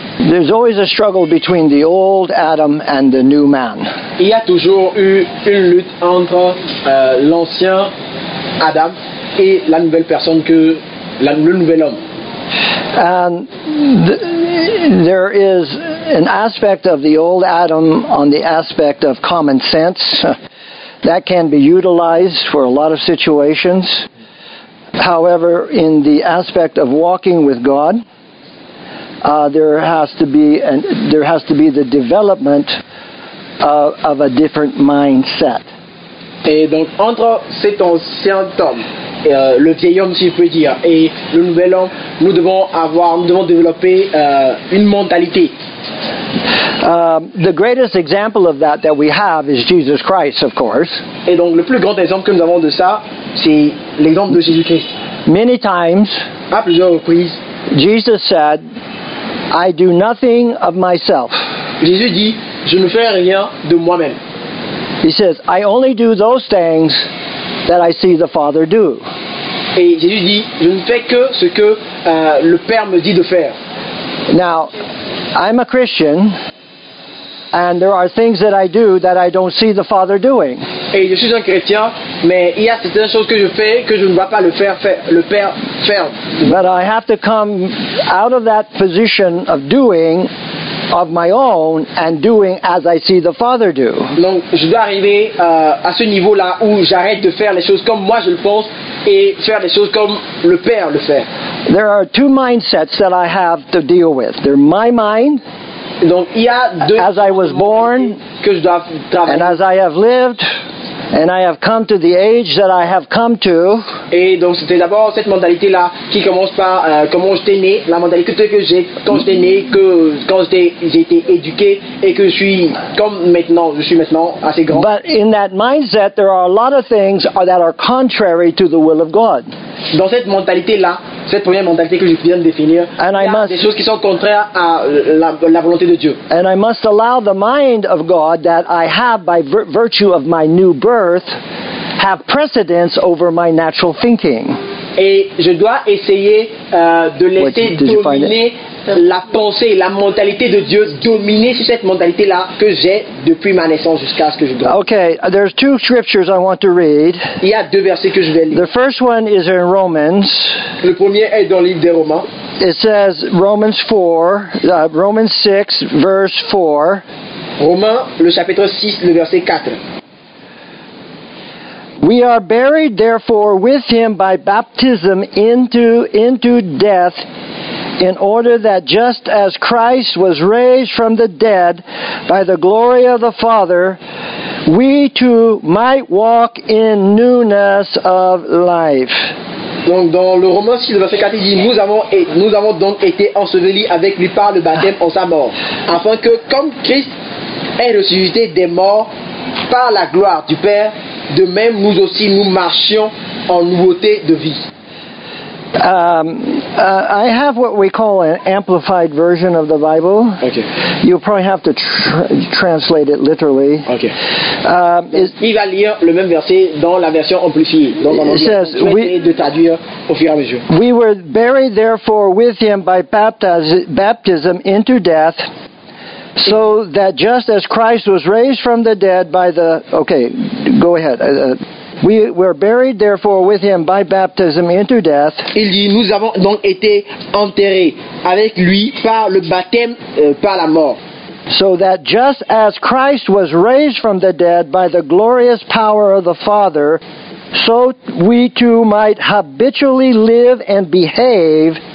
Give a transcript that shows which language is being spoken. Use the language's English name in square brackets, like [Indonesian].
[English] There's always a struggle between the old Adam and the new man. [French] Il y a toujours eu une lutte entre l'ancien Adam et la nouvelle personne que le nouvel homme. [English] And there is an aspect of the old Adam on the aspect of common sense that can be utilized for a lot of situations. However, in the aspect of walking with God, there has to be the development of a different mindset. [French] Et donc entre cet ancien homme, le vieil homme si je peux dire, et le nouvel homme, nous devons développer une mentalité. [English] The greatest example of that we have is Jesus Christ, of course. [French] Et donc le plus grand exemple que nous avons de ça, c'est l'exemple de Jésus-Christ. [English] Many times, [French] à plusieurs reprises, [English] Jesus said, I do nothing of myself. [French] Jésus dit, je ne fais rien de moi-même. [English] He says, I only do those things that I see the Father do. [French] Et Jésus dit, je ne fais que ce que le Père me dit de faire. [English] Now, I'm a Christian, and there are things that I do that I don't see the Father doing. [French] Et je suis un chrétien, mais il y a certaines choses que je fais que je ne vois pas le Père faire. [English] But I have to come out of that position of doing of my own and doing as I see the Father do. [French] Donc je dois arriver à ce niveau-là où j'arrête de faire les choses comme moi je le pense et faire les choses comme le Père le fait. [English] There are two mindsets that I have to deal with. They're my mind. [French] Donc, il y a deux [English] as I was born [French] que je dois travailler. [English] And as I have lived and I have come to the age that I have come to. [French] Et donc c'était d'abord cette mentalité là qui commence par comment j'étais né, la mentalité que j'ai quand j'étais né, que quand j'ai été éduqué et que je suis comme maintenant, je suis maintenant assez grand. [English] But in that mindset there are a lot of things that are contrary to the will of God. [French] Dans cette mentalité là, cette première mentalité que je viens de définir, [English] and [French] il y a [English] must, [French] des choses qui sont contraires à la volonté de Dieu. [English] And I must allow the mind of God that I have by virtue of my new birth have precedence over my natural thinking. [French] Et je dois essayer de laisser dominer la pensée, la mentalité de Dieu dominer sur cette mentalité là que j'ai depuis ma naissance jusqu'à ce que je dois. [English] Okay, there's two scriptures I want to read. [French] Il y a deux versets que je vais lire. [English] The first one is in Romans. [French] Le premier est dans le livre des Romains. [English] It says Romans 6 verse 4. [French] Romains le chapitre 6 le verset 4. [English] We are buried therefore with him by baptism into death, in order that just as Christ was raised from the dead by the glory of the Father, we too might walk in newness of life. [French] Donc dans le Romain 6 verset 4 il dit nous avons donc été ensevelis avec lui par le baptême en sa mort, afin que comme Christ est ressuscité des morts par la gloire du Père, de même nous aussi nous marchions en nouveauté de vie. [English] I have what we call an amplified version of the Bible. Okay. You'll probably have to translate it literally. Okay. [French] Il va lire le même verset dans la version amplifiée. Donc on va de traduire au fur et à mesure. [English] We were buried therefore with him by baptism into death, so that just as Christ was raised from the dead by the... Okay, go ahead. We were buried therefore with him by baptism into death. [French] Il dit, nous avons donc été enterrés avec lui par le baptême, par la mort. [English] So that just as Christ was raised from the dead by the glorious power of the Father, so we too might habitually live and behave